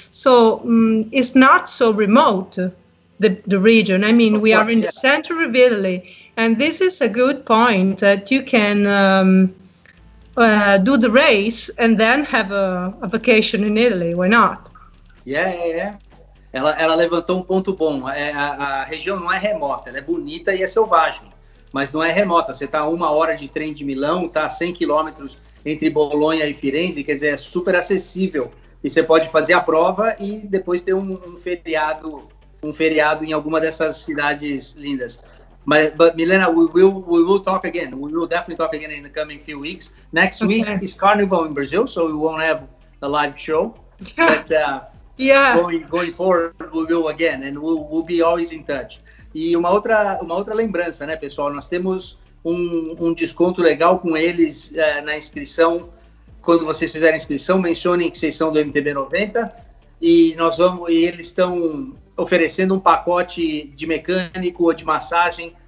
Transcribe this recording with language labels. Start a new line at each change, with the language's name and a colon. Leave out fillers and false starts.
English: So it's not so remote, the region. I mean, we are in the center of Italy. And this is a good point that you can do the race and then have a vacation in Italy. Why not?
Portuguese: Yeah. Ela levantou um ponto bom. A região não é remota, ela é bonita e é selvagem, mas não é remota. Você está a 1 hora de trem de Milão, está a 100 quilômetros entre Bolonha e Firenze, quer dizer, é super acessível. E você pode fazer a prova e depois ter um feriado em alguma dessas cidades lindas.
English: But Milena, we will talk again. We will definitely talk again in the coming few weeks. Next week is Carnival in Brazil, so we won't have a live show. But, going forward, we'll go again, and we'll be always in touch.
Portuguese: E uma outra lembrança, né, pessoal? Nós temos um desconto legal com eles na inscrição. Quando vocês fizerem a inscrição, mencionem que vocês são do MTB 90, e eles estão oferecendo um pacote de mecânico ou de massagem.